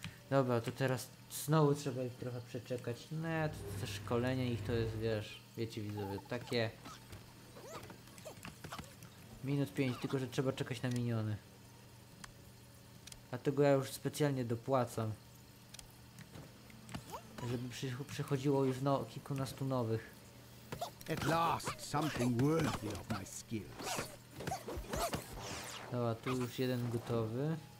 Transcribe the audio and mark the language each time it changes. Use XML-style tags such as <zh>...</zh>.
<pl>Dobra, to teraz znowu trzeba ich trochę przeczekać. No to szkolenie ich to jest, wiesz, wiecie widzowie, takie... Minut 5, tylko że trzeba czekać na miniony. Dlatego ja już specjalnie dopłacam. Żeby przychodziło już kilkunastu nowych.</pl> <en>At last, something worthy of my skills.</en> <pl>Dobra, tu już jeden gotowy.</pl>